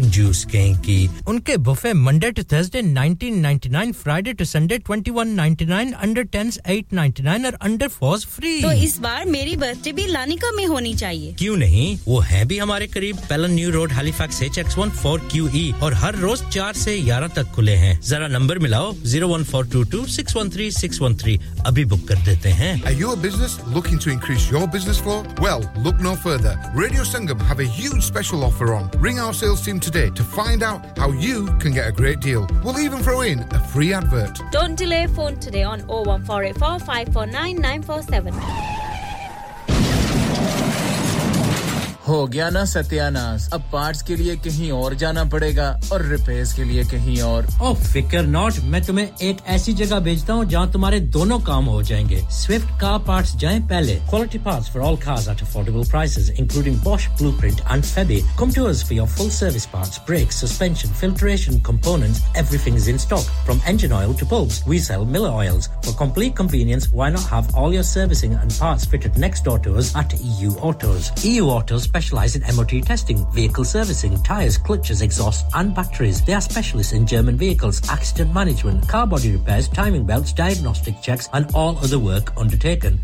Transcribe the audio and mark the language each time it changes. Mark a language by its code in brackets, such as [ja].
[en] juice Kanki उनके buffet Monday to Thursday 19.99 Friday to Sunday 21.99 under 10s 8.99 और under 4s free [hi] तो इस बार मेरी बर्थडे भी लानिका में होनी चाहिए क्यों नहीं वो है भी हमारे करीब पेलन न्यू रोड हैलिफैक्स HX14QE और हर रोज 4 से 11 तक खुले हैं जरा नंबर मिलाओ 01422613613 अभी बुक कर देते हैं [en] Are you a business looking to increase your business flow well look no further Radio Sangam have a huge special offer on ring our sales team today to find out how you can get a great deal. We'll even throw in a free advert. Don't delay phone today on 01484549947. [hi] हो गया ना सत्यानाश अब parts के लिए कहीं और जाना पड़ेगा और रिपेयर्स के लिए कहीं और [en] ओ फिकर नॉट [hi] मैं तुम्हें एक ऐसी जगह भेजता हूँ जहाँ तुम्हारे दोनों काम हो जाएंगे [en] Swift car parts जाएं पहले quality parts for all cars at affordable prices including Bosch blueprint and Febi come to us for your full service parts brakes suspension filtration components everything is in stock from engine oil to bulbs we sell Miller oils for complete convenience why not have all your servicing and parts fitted next door to us at EU Autos EU Autos specialize in MOT testing, vehicle servicing, tires, clutches, exhausts, and batteries. They are specialists in German vehicles, accident management, car body repairs, timing belts, diagnostic checks, and all other work undertaken.